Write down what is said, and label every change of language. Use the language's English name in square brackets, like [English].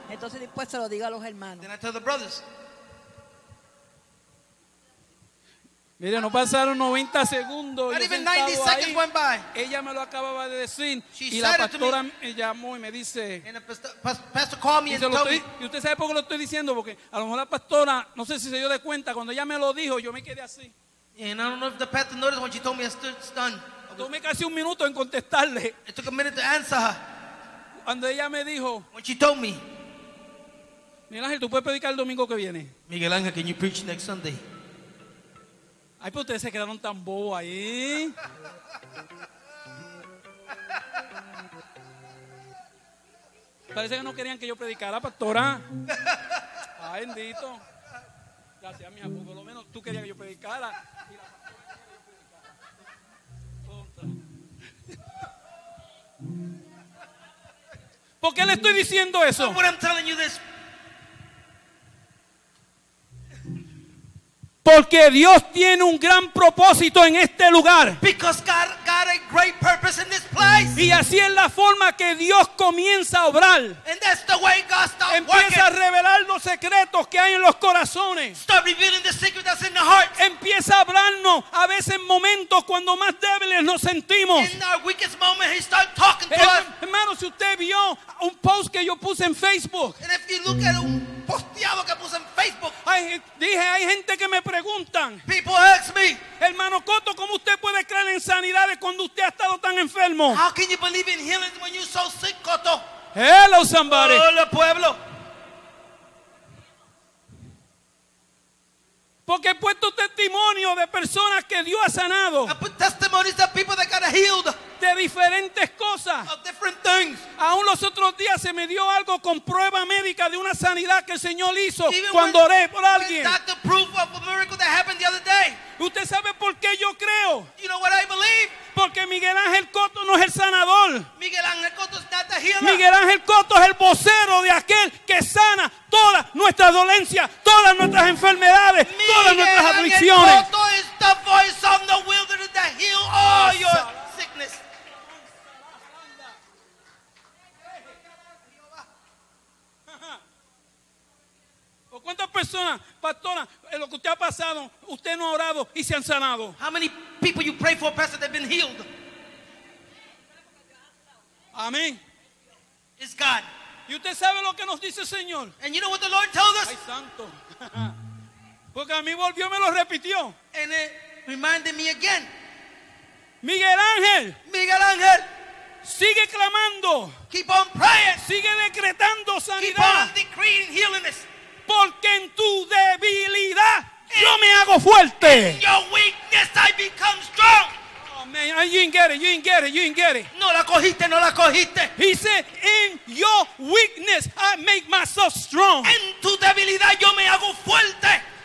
[Spanish] Entonces después se lo digo a los hermanos. [English] Then I tell the brothers. [Spanish] Mire, no pasaron 90 segundos. [English] Not even 90 seconds went by. [Spanish] Ella me lo acababa de decir. Y la pastora me llamó y me dice. [English] And the pastor called me and told me. [Spanish] Y usted sabe por qué lo estoy diciendo, porque a lo mejor la pastora, no sé si se dio de cuenta, cuando ella me lo dijo, yo me quedé así. [English] And I don't know if the pastor noticed when she told me I stood stunned. [Spanish] Tomé casi un minuto en contestarle. [English] It took a minute to answer her. [Spanish] Cuando ella me dijo. [English] When she told me. [Spanish] Miguel Ángel, tú puedes predicar el domingo que viene. [English] Miguel Ángel, can you preach next Sunday? [Spanish] Ay, pero ustedes se quedaron tan bobos ahí. Parece que no querían que yo predicara, pastora. Ay, bendito. Gracias, mija. Por lo menos tú querías que yo predicara. ¿Por qué le estoy diciendo eso? Porque Dios tiene un gran propósito en este lugar. [English] Because God got a great purpose in this place. [Spanish] Y así es la forma que Dios comienza a obrar. [English] And that's the way God starts. [Spanish] Empieza A revelar los secretos que hay en los corazones. [English] Start revealing the secret that's in the heart. [Spanish] Empieza a hablarnos a veces en momentos cuando más débiles nos sentimos. [English] In our weakest moment, he starts talking to us. [Spanish] Hermano, si usted vio un post que yo puse en Facebook. [English] And if you look at un posteado que puse en Facebook. [Spanish] Hay gente que me preguntan. [English] People ask me. [Spanish] Hermano Coto, ¿cómo usted puede creer en sanidades cuando usted ha estado tan enfermo? [English] How can you believe in healing when you're so sick, Coto? Hello, somebody. [Spanish] Hola, pueblo. Porque he puesto testimonio de personas que Dios ha sanado. [English] I put testimonies of people that got healed. [Spanish] De diferentes cosas. [English] Of different things. [Spanish] Aún los otros días se me dio algo con prueba médica de una sanidad que el Señor hizo cuando oré por alguien. [English] Even when the doctor proved of a miracle that happened the other day. [Spanish] ¿Usted sabe por qué yo creo? [English] You know what I believe? [Spanish] Porque Miguel Ángel Coto no es el sanador. [English] Miguel Ángel Coto is not the healer. [Spanish] Miguel Ángel Coto es el vocero de aquel que sana todas nuestras dolencias, todas nuestras enfermedades, Miguel todas nuestras aflicciones. [English] Miguel Ángel Coto is the voice of the wilderness that heals all your sickness. [Spanish] ¿Cuántas personas, pastora, en lo que usted ha pasado, usted no ha orado y se han sanado? [English] How many people you pray for, pastor, they've been healed? [Spanish] Amén. [English] It's God. [Spanish] ¿Y usted sabe lo que nos dice el Señor? [English] And you know what the Lord tells us? [Spanish] Ay, santo. Porque a mí volvió y me lo repitió. [English] And it reminded me again. [Spanish] Miguel Ángel. Miguel Ángel. Sigue clamando. [English] Keep on praying. [Spanish] Sigue decretando sanidad. [English] Keep on decreeing healingness. [Spanish] Porque en tu debilidad yo me hago fuerte. [English] In your weakness I become strong. Oh man, you didn't get it, you didn't get it, you didn't get it. [Spanish] No la cogiste, no la cogiste. [English] He said, in your weakness I make myself strong. [Spanish] En tu debilidad yo me hago fuerte.